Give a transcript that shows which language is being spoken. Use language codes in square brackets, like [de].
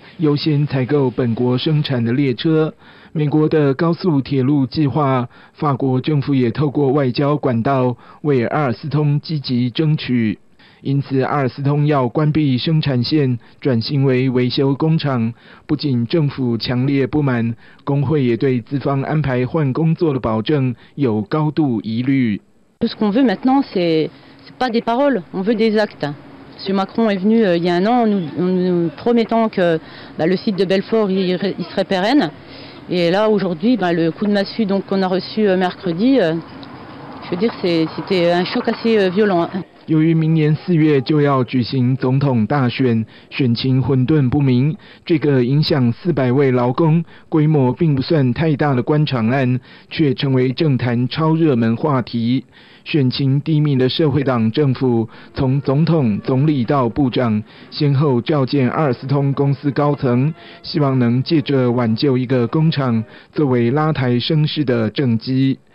[zh] 优先采购本国生产的列车。美国的高速铁路计划，法国政府也透过外交管道为阿尔斯通积极争取。因此阿尔斯通要关闭生产线，转型为维修工厂，不仅政府强烈不满，工会也对资方安排换工作的保证有高度疑虑。 [fr] Ce qu'on veut maintenant, c'est pas des paroles, on veut des actes. Monsieur Macron est venu il y a un an nous promettant que le site de Belfort il serait pérenne. Et là, aujourd'hui, le coup de massue donc, qu'on a reçu mercredi, je veux dire, c'était un choc assez violent. [zh] 由于明年四月就要举行总统大选，选情混沌不明，这个影响400位劳工、规模并不算太大的官场案，却成为政坛超热门话题。选情低迷的社会党政府，从总统、总理到部长，先后召见阿尔斯通公司高层，希望能借着挽救一个工厂，作为拉抬声势的政绩。